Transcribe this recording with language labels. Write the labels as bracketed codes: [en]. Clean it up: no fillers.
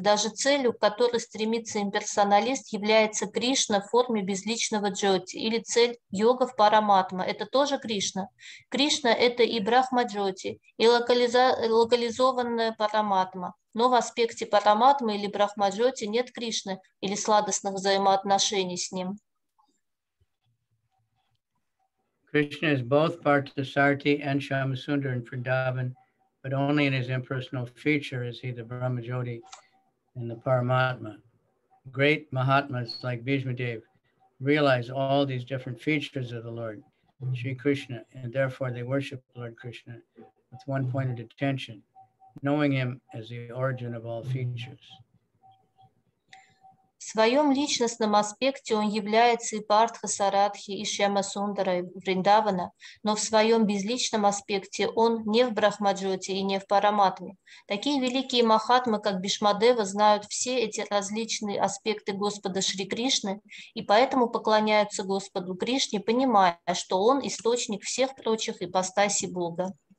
[ru] Даже целью, к которой стремится имперсоналист, является Кришна в форме безличного джоти, или цель йогов Параматма. Это тоже Кришна. Кришна – это и Брахма-джоти, и локализованная Параматма. Но в аспекте Параматмы или Брахма-джоти нет Кришны или сладостных взаимоотношений с ним. [en] Кришна is both part of Sarati and Shyamasundara in Vrindavan, but only in his impersonal feature is he the Brahma Jyoti and the Paramatma. Great Mahatmas like Bhishma Dev realize all these different features of the Lord, Sri Krishna, and therefore they worship Lord Krishna with one point of attention, knowing him as the origin of all features. [ru] В своем личностном аспекте он является и Партха Саратхи, и Шьямасундара, и Вриндавана, но в своем безличном аспекте он не в Брахмаджоте и не в Параматме. Такие великие махатмы, как Бишмадева, знают все эти различные аспекты Господа Шри Кришны и поэтому поклоняются Господу Кришне, понимая, что он источник всех прочих ипостасей Бога.